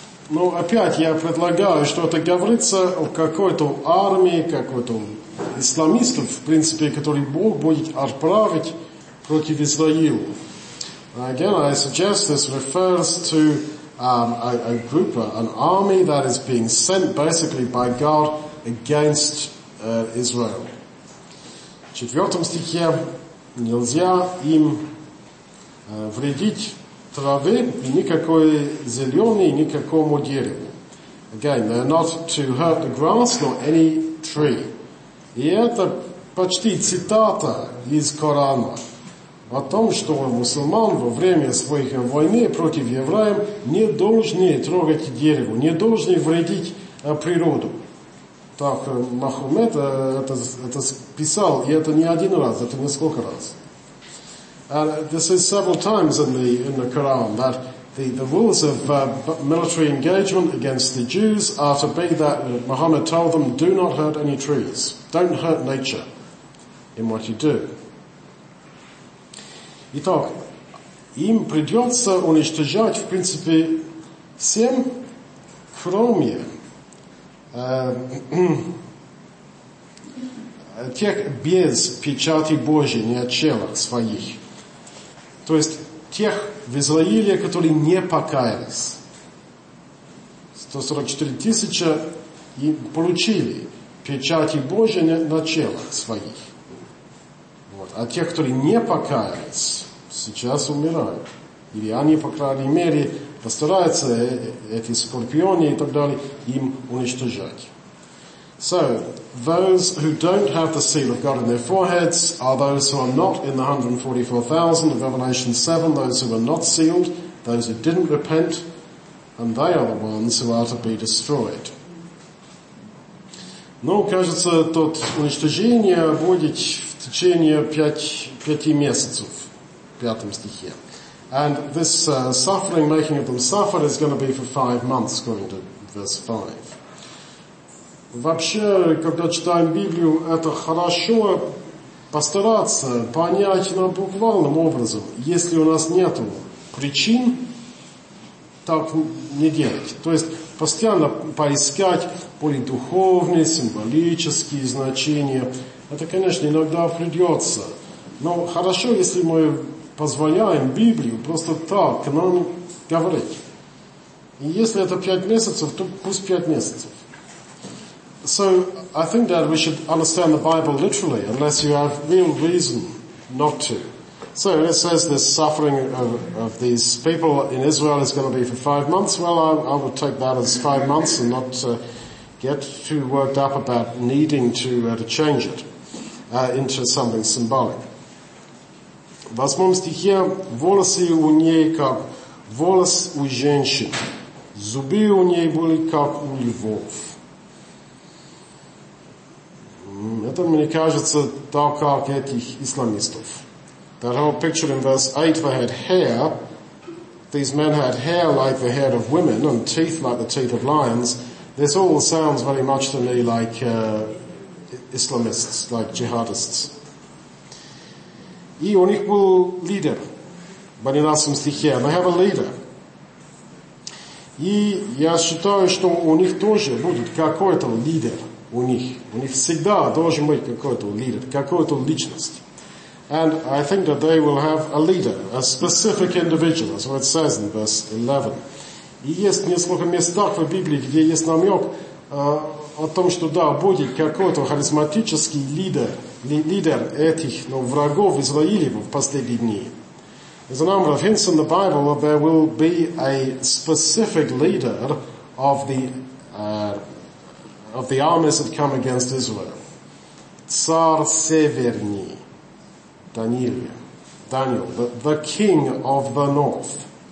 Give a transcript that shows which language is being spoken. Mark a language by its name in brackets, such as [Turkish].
[Russian] Ну, опять я предлагаю, что это говорится о какой-то армии, какой-то исламистов, в принципе, который Бог будет отправить против Израиля. [English] And again, I suggest this refers to a group, an army that is being sent basically by God against Israel. [Russian] В 4 стихе нельзя им вредить травы и никакой зеленой, никакому дереву. [English] Again, they're not to hurt the grass nor any tree. [Russian] И это почти цитата из Корана о том, что мусульман во время своих войны против евреев не должны трогать дерево, не должны вредить природу. Так Махомед это писал, и это не один раз, это несколько раз. [English] And this is several times in the Quran that the rules of military engagement against the Jews are to be that Muhammad told them, do not hurt any trees, don't hurt nature in what you do. [Russian] Итак, им придется уничтожать, в принципе, всем, кроме тех без печати Божьей, не от чела своих. То есть тех в Израиле, которые не покаялись. 144 тысячи и получили печати Божьей на челах своих. Вот. А тех, которые не покаялись, сейчас умирают. Или они, по крайней мере, постараются эти скорпионы и так далее им уничтожать. [English] So, those who don't have the seal of God in their foreheads are those who are not in the 144,000 of Revelation 7, those who are not sealed, those who didn't repent, and they are the ones who are to be destroyed. [Russian] Ну, кажется, тот уничтожение будет в течение пяти месяцев, в пятом стихе. [English] And this suffering, making of them suffer, is going to be for 5 months, according to verse 5. [Russian] Вообще, когда читаем Библию, это хорошо постараться понять на буквальном образе. Если у нас нет причин, так не делать. То есть постоянно поискать более духовные, символические значения. Это, конечно, иногда придется. Но хорошо, если мы позволяем Библию просто так к нам говорить. И если это 5 месяцев, то пусть 5 месяцев. [English] So I think that we should understand the Bible literally, unless you have real reason not to. So it says this suffering of these people in Israel is going to be for 5 months. Well, I would take that as 5 months and not get too worked up about needing to change it into something symbolic. [Russian] Восьмом стихе, волосы у ней как волос у женщин, зубы у ней были как у львов. Это, мне кажется, так, как этих исламистов. [English] That whole picture in verse 8, they had hair. These men had hair like the hair of women and teeth like the teeth of lions. This all sounds very much to me like Islamists, like jihadists. [Russian] И у них был лидер. В 11 стихе. [English] They have a leader. [Russian] И я считаю, что у них тоже будет какой-то лидер. У них всегда должен быть какой-то лидер, какой-то личность. [English] And I think that they will have a leader, a specific individual, as it says in verse 11. [Russian] И есть несколько мест в Библии, где есть намек о том, что да, будет какой-то харизматический лидер этих врагов Израиля в последние дни. [English] There's a number of hints in the Bible that there will be a specific leader of the armies that come against Israel. Tsar Severny, Daniel, the king of the north.